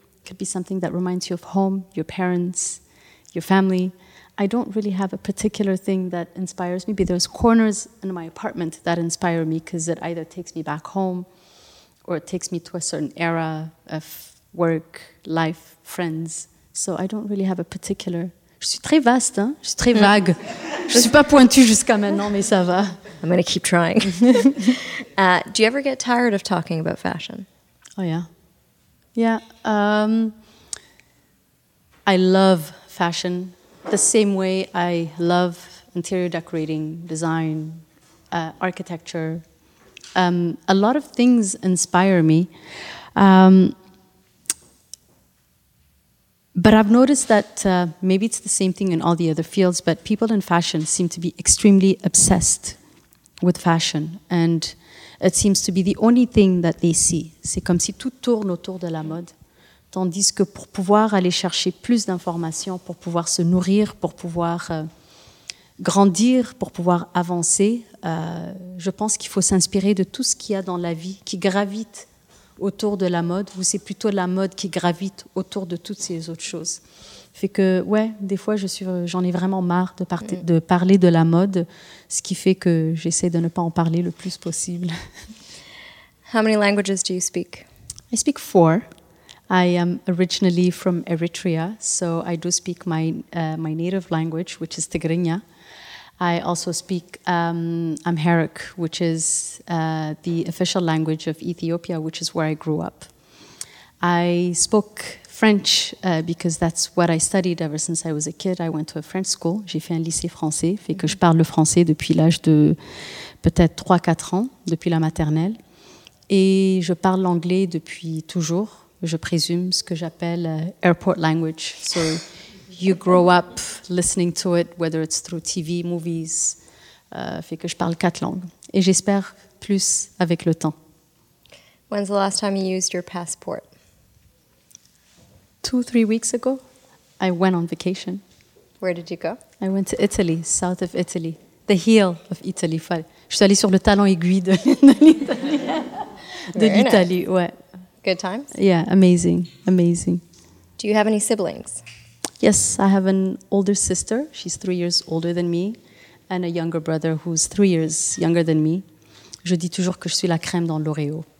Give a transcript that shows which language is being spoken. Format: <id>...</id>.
<en>It could be something that reminds you of home, your parents, your family. I don't really have a particular thing that inspires me, but there's corners in my apartment that inspire me because it either takes me back home or it takes me to a certain era of work, life, friends. So I don't really have a particular.</en> <fr>Je suis très vaste, hein? Je suis très vague. Je suis pas pointue jusqu'à maintenant, mais ça va.</fr> <en>I'm going to keep trying. Do you ever get tired of talking about fashion? Oh, yeah. Yeah. I love fashion. The same way I love interior decorating, design, architecture. A lot of things inspire me. But I've noticed that maybe it's the same thing in all the other fields, but people in fashion seem to be extremely obsessed with fashion. And it seems to be the only thing that they see.</en> <fr>C'est comme si tout tourne autour de la mode. Tandis que pour pouvoir aller chercher plus d'informations, pour pouvoir se nourrir, pour pouvoir grandir, pour pouvoir avancer, je pense qu'il faut s'inspirer de tout ce qu'il y a dans la vie qui gravite autour de la mode, ou c'est plutôt la mode qui gravite autour de toutes ces autres choses. Fait que, ouais, des fois, j'en ai vraiment marre de parler de la mode, ce qui fait que j'essaie de ne pas en parler le plus possible.</fr> <en>How many languages do you speak? I speak 4. I am originally from Eritrea, so I do speak my my native language, which is Tigrinya. I also speak Amharic, which is the official language of Ethiopia, which is where I grew up. I spoke French because that's what I studied ever since I was a kid. I went to a French school.</en> <fr>J'ai fait un lycée français, fait que je parle le français depuis l'âge de peut-être 3-4 ans, depuis la maternelle. Et je parle l'anglais depuis toujours, je présume, ce que j'appelle</fr> <en>airport language. So you grow up listening to it, whether it's through TV, movies,</en> <fr>fait que je parle 4 langues. Et j'espère plus avec le temps.</fr> <en>When's the last time you used your passport? 2-3 weeks ago, I went on vacation. Where did you go? I went to Italy, south of Italy, the heel of Italy.</en> <fr>Je suis allée sur le talon aiguille de l'Italie. De l'Italie, ouais.</fr> <en>Good times? Yeah, amazing, amazing. Do you have any siblings? Yes, I have an older sister. She's 3 years older than me. And a younger brother who's 3 years younger than me.</en> <fr>Je dis toujours que je suis la crème dans l'Oreo.</fr>